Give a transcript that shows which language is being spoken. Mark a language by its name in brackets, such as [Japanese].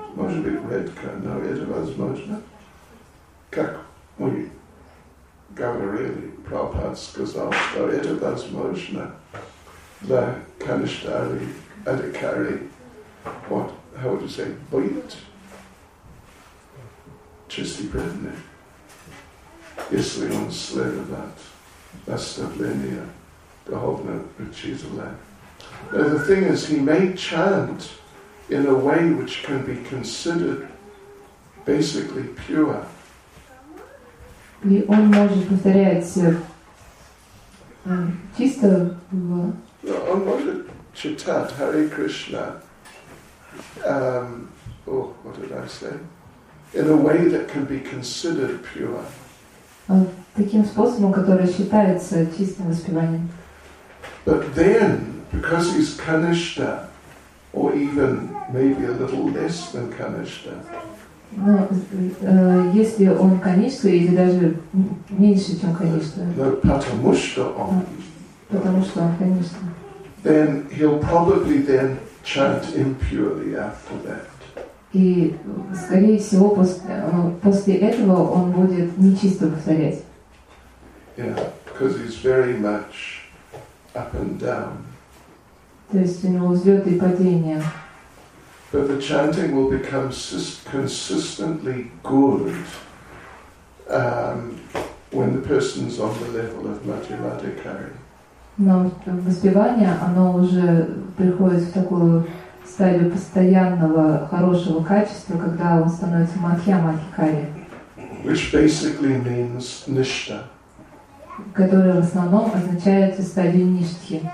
[Russian] Может быть, редко, но это возможно. Как мы говорили, Прабхупад сказал, что это возможно для Каништари, Адикари, [English] what, how would you say, [Russian] быт, чистый преданный, если он следует наставления духовно учителя. [English] The thing is, he may chant in a way which can be considered basically pure. [Russian] И он может повторять чисто в... Он может читать Харе Кришна, [English] what did I say, in a way that can be considered pure. [Russian] Таким способом, который считается чистым воспеванием. [English] But then, because he's Kanishta, or even maybe a little less than Kanishta. [Russian] Но если он Kanishta или даже меньше, чем Kanishta. No, потому что он. Потому что он Kanishta. [English] Then he'll probably then chant impurely after that. [Russian] И скорее всего после этого он будет нечисто повторять. [English] Yeah, because he's very much up and down. [Russian] То есть у него взлеты и падения. [English] But the chanting will become consistently good when the person's on the level of Madhyamadhikari. [Russian] Но воспевание, оно уже приходит в такую стадию постоянного хорошего качества, когда он становится Мадхьямадхикари. [English] Which basically means Nishta. [Russian] Которая в основном означает стадию ништхи.